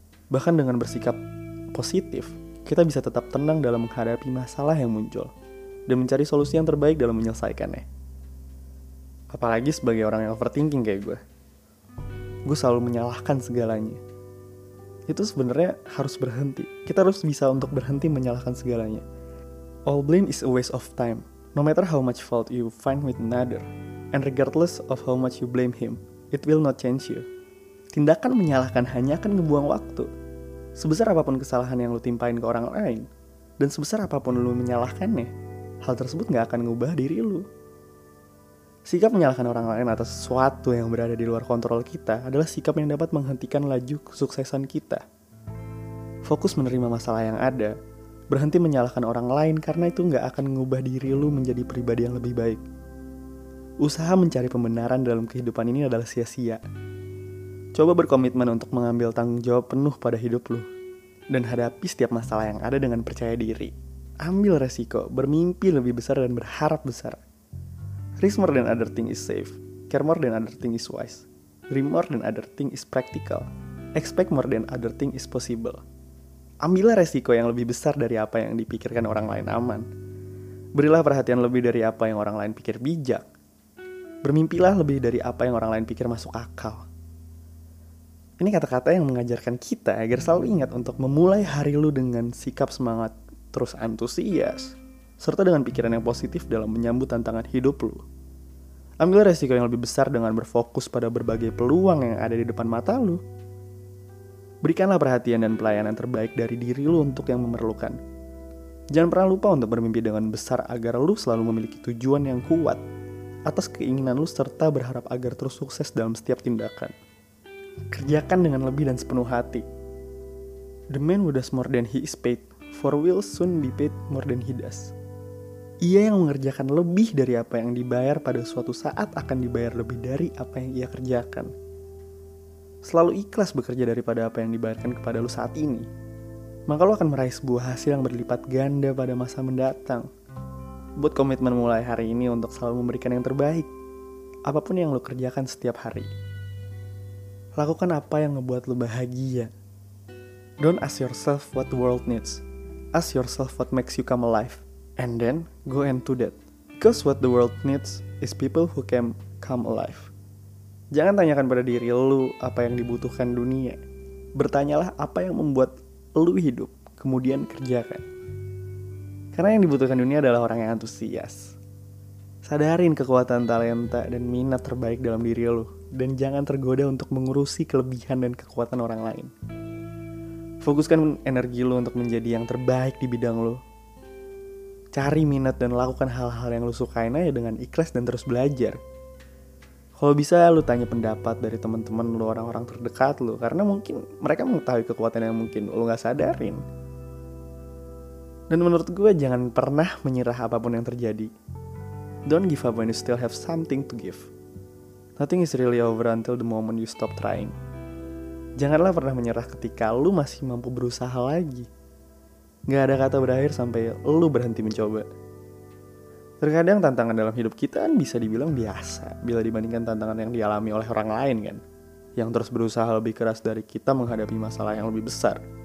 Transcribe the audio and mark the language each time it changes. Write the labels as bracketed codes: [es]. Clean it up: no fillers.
[id] Bahkan dengan bersikap positif, kita bisa tetap tenang dalam menghadapi masalah yang muncul dan mencari solusi yang terbaik dalam menyelesaikannya. Apalagi sebagai orang yang overthinking kayak gue selalu menyalahkan segalanya. Itu sebenarnya harus berhenti. Kita harus bisa untuk berhenti menyalahkan segalanya. [en] All blame is a waste of time. No matter how much fault you find with another, and regardless of how much you blame him, it will not change you. [id] Tindakan menyalahkan hanya akan ngebuang waktu. Sebesar apapun kesalahan yang lu timpain ke orang lain, dan sebesar apapun lu menyalahkannya, hal tersebut gak akan ngubah diri lu. Sikap menyalahkan orang lain atas sesuatu yang berada di luar kontrol kita adalah sikap yang dapat menghentikan laju kesuksesan kita. Fokus menerima masalah yang ada, berhenti menyalahkan orang lain karena itu gak akan mengubah diri lu menjadi pribadi yang lebih baik. Usaha mencari pembenaran dalam kehidupan ini adalah sia-sia. Coba berkomitmen untuk mengambil tanggung jawab penuh pada hidup lu, dan hadapi setiap masalah yang ada dengan percaya diri. Ambil resiko, bermimpi lebih besar dan berharap besar. [en] Risk more than other thing is safe. Care more than other thing is wise. Dream more than other thing is practical. Expect more than other thing is possible. [id] Ambillah resiko yang lebih besar dari apa yang dipikirkan orang lain aman. Berilah perhatian lebih dari apa yang orang lain pikir bijak. Bermimpilah lebih dari apa yang orang lain pikir masuk akal. Ini kata-kata yang mengajarkan kita agar selalu ingat untuk memulai hari lu dengan sikap semangat, terus antusias, serta dengan pikiran yang positif dalam menyambut tantangan hidup lu. Ambil resiko yang lebih besar dengan berfokus pada berbagai peluang yang ada di depan mata lu. Berikanlah perhatian dan pelayanan terbaik dari diri lu untuk yang memerlukan. Jangan pernah lupa untuk bermimpi dengan besar agar lu selalu memiliki tujuan yang kuat atas keinginan lu, serta berharap agar terus sukses dalam setiap tindakan. Kerjakan dengan lebih dan sepenuh hati. [en] The man who does more than he is paid for will soon be paid more than he does. [id] Ia yang mengerjakan lebih dari apa yang dibayar pada suatu saat akan dibayar lebih dari apa yang ia kerjakan. Selalu ikhlas bekerja daripada apa yang dibayarkan kepada lu saat ini, maka lu akan meraih sebuah hasil yang berlipat ganda pada masa mendatang. Buat komitmen mulai hari ini untuk selalu memberikan yang terbaik apapun yang lu kerjakan setiap hari. Lakukan apa yang ngebuat lu bahagia. [en] Don't ask yourself what the world needs. Ask yourself what makes you come alive, and then go and do that. Because what the world needs is people who can come alive. [id] Jangan tanyakan pada diri lu apa yang dibutuhkan dunia. Bertanyalah apa yang membuat lu hidup, kemudian kerjakan. Karena yang dibutuhkan dunia adalah orang yang antusias. Sadarin kekuatan talenta dan minat terbaik dalam diri lu, dan jangan tergoda untuk mengurusi kelebihan dan kekuatan orang lain. Fokuskan energi lu untuk menjadi yang terbaik di bidang lu. Cari minat dan lakukan hal-hal yang lu sukain aja dengan ikhlas dan terus belajar. Kalau bisa lu tanya pendapat dari teman-teman lu, orang-orang terdekat lu, karena mungkin mereka mengetahui kekuatan yang mungkin lu gak sadarin. Dan menurut gue, jangan pernah menyerah apapun yang terjadi. [en] Don't give up when you still have something to give. Nothing is really over until the moment you stop trying. [id] Janganlah pernah menyerah ketika lu masih mampu berusaha lagi. Gak ada kata berakhir sampai lu berhenti mencoba. Terkadang tantangan dalam hidup kita kan bisa dibilang biasa bila dibandingkan tantangan yang dialami oleh orang lain kan, yang terus berusaha lebih keras dari kita menghadapi masalah yang lebih besar.